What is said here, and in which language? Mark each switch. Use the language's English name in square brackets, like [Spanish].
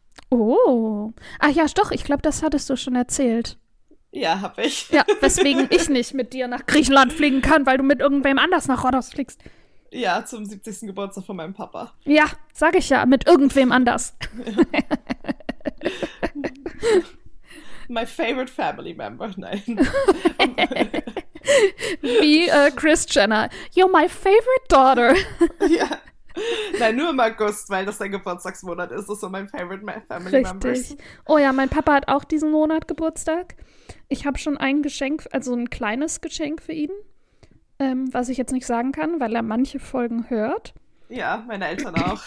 [German] Oh. Ach ja, doch. Ich glaube, das hattest du schon erzählt. Ja, habe ich. Ja, weswegen ich nicht mit dir nach Griechenland fliegen kann, weil du mit irgendwem anders nach Rhodos fliegst. Ja, zum 70. Geburtstag von meinem Papa. Ja, sag ich ja, mit irgendwem anders. Ja. [English] My favorite family member, nein. [German] Wie Kris Jenner. [English] You're my favorite daughter. [German] Ja. Nein, nur im August, weil das dein Geburtstagsmonat ist. Das ist so mein [English] favorite family member. [German] Richtig. [English] Members. [German] Oh ja, mein Papa hat auch diesen Monat Geburtstag. Ich habe schon ein Geschenk, also ein kleines Geschenk für ihn, was ich jetzt nicht sagen kann, weil er manche Folgen hört. Ja, meine Eltern auch.